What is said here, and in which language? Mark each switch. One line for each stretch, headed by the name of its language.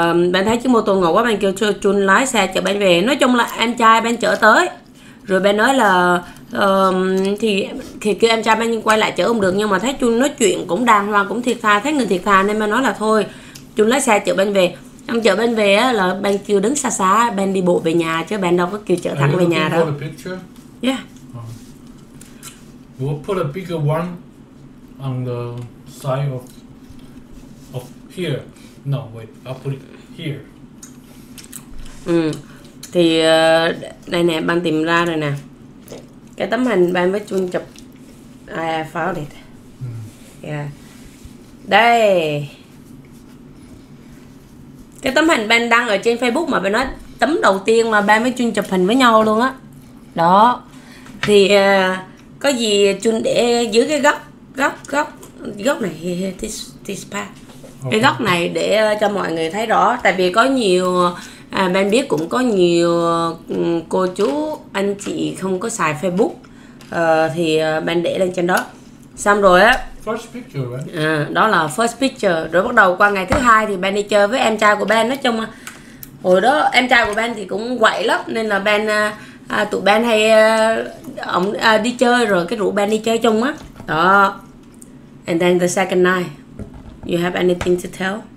Vietnamese: Bạn thấy chiếc mô tô ngầu quá, bạn kêu cho Chun lái xe chở bạn về. Nói chung là em trai bạn chở tới, rồi bạn nói là thì kêu em trai bạn quay lại chở không được, nhưng mà thấy Chun nói chuyện cũng đàng hoàng, cũng thiệt thà, thấy người thiệt thà nên mới nói là thôi Chun lái xe chở bạn về. Em chở bạn về á, là bạn kêu đứng xa xa, bạn đi bộ về nhà chứ bạn đâu có kêu chở
English: Are
Vietnamese: thẳng
English: you
Vietnamese: về nhà
English: looking for the picture? Yeah. We'll put a bigger one on the side of here. No, wait, I'll put it here.
Vietnamese: Ừ. Thì đây nè, bạn tìm ra rồi nè. Cái tấm hình bạn với Chun chụp.
English: I found it. Yeah.
Vietnamese: Đây. Cái tấm hình bạn đăng ở trên Facebook mà bạn nói tấm đầu tiên mà bạn với Chun chụp hình với nhau luôn á. Đó. Thì có gì Chun để dưới cái góc góc góc góc này,
English: this part.
Vietnamese: Cái góc này để cho mọi người thấy rõ, tại vì có nhiều bạn biết cũng có nhiều cô chú anh chị không có xài Facebook, thì bạn để lên trên đó xong rồi á.
English: First picture, right?
Vietnamese: Đó là
English: first picture.
Vietnamese: Rồi bắt đầu qua ngày thứ hai thì bạn đi chơi với em trai của bạn. Nói chung hồi đó em trai của bạn thì cũng quậy lắm nên là bạn tụi bạn hay ổng đi chơi rồi cái rủ bạn đi chơi chung á đó.
English: And then the second night, you have anything to tell?